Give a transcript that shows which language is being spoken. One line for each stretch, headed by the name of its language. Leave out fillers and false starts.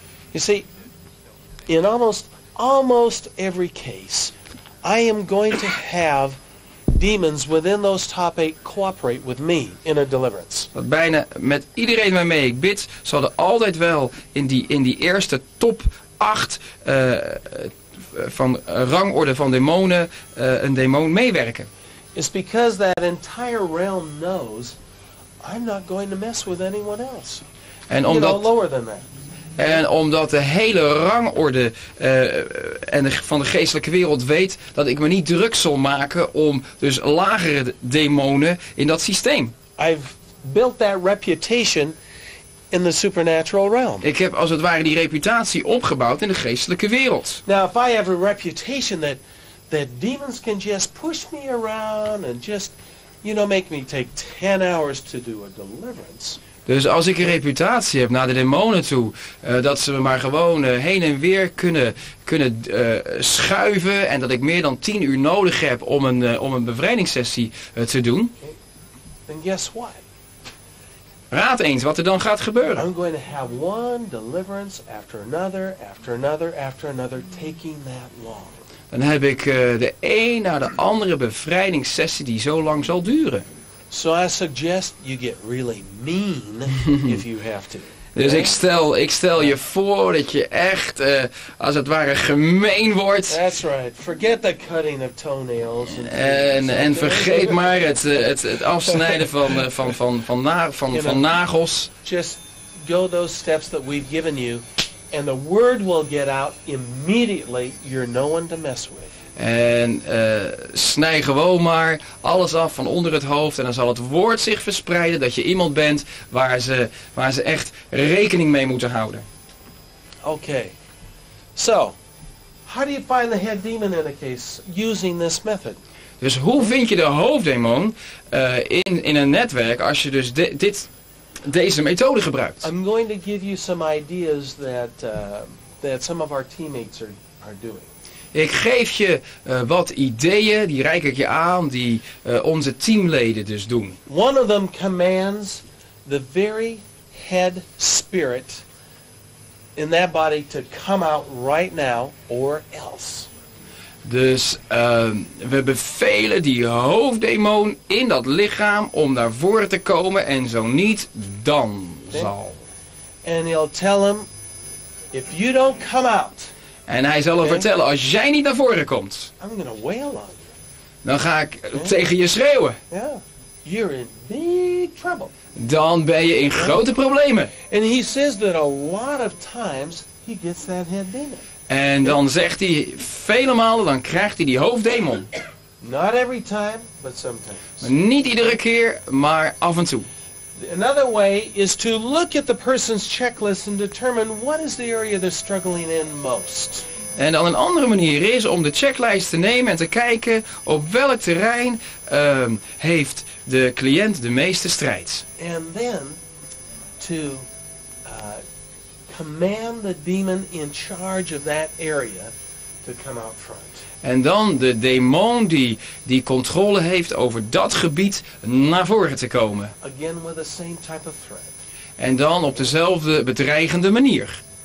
English: You see, in almost every case, I am going to have demons within those top 8 cooperate with me in a deliverance.
Dutch: Want bijna met iedereen waarmee ik bid, zal er altijd wel in die eerste top 8 van rangorde van demonen een demon meewerken.
English: It's because that entire realm knows I'm not going to mess with anyone else.
Dutch: En omdat
English: lower than that.
Dutch: En omdat de hele rangorde van de geestelijke wereld weet dat ik me niet druk zal maken om dus lagere demonen in dat systeem.
English: I've built that reputation in the supernatural realm.
Dutch: Ik heb als het ware die reputatie opgebouwd in de geestelijke wereld.
English: Now if I have a reputation that demons can just push me around and just, you know, make me take 10 hours to do a deliverance.
Dutch: Dus als ik een reputatie heb naar de demonen toe, dat ze me maar gewoon heen en weer kunnen schuiven en dat ik meer dan 10 uur nodig heb om een bevrijdingssessie te doen.
English: Then guess what?
Dutch: Raad eens wat er dan gaat gebeuren.
English: I'm going to have one deliverance after another, after another, after another, taking that long.
Dutch: Dan heb ik de een na de andere bevrijdingssessie die zo lang zal duren.
English: So I suggest you get really mean if you have to.
Dutch: Dus ik stel je voor dat je echt als het ware gemeen wordt.
English: That's right. Forget the cutting of toenails.
Dutch: En vergeet maar het afsnijden van nagels.
English: Just go those steps that we've given you and the word will get out immediately. You're no one to mess with.
Dutch: En snij gewoon maar alles af van onder het hoofd en dan zal het woord zich verspreiden dat je iemand bent waar ze echt rekening mee moeten houden. Oké.
English: So, how do you find the head demon in a case using this method?
Dutch: Dus hoe vind je de hoofddemon in een netwerk als je dus deze methode gebruikt?
English: I'm going to give you some ideas that some of our teammates are doing.
Dutch: Ik geef je wat ideeën, die reik ik je aan, die onze teamleden dus doen.
English: One of them commands the very head spirit in that body to come out right now or else.
Dutch: Dus we bevelen die hoofddemon in dat lichaam om naar voren te komen en zo niet, dan zal.
English: And he'll tell him, if you don't come out.
Dutch: En hij zal hem vertellen, als jij niet naar voren komt,
English: I'm gonna wail on you.
Dutch: Dan ga ik tegen je schreeuwen.
English: Yeah. You're in big trouble.
Dutch: Dan ben je in grote problemen.
English: And he says that a lot of times he gets that head demon.
Dutch: En dan zegt hij, vele malen dan krijgt hij die hoofddemon.
English: Not every time, but sometimes.
Dutch: Maar niet iedere keer, maar af en toe.
English: Another way is to look at the person's checklist and determine what is the area they're struggling in most.
Dutch: En dan een andere manier is om de checklist te nemen en te kijken op welk terrein heeft de cliënt de meeste strijd.
English: And then to command the demon in charge of that area to come out front.
Dutch: En dan de demon die controle heeft over dat gebied naar voren te komen.
English: Again with the same type of threat.
Dutch: En dan op dezelfde bedreigende manier.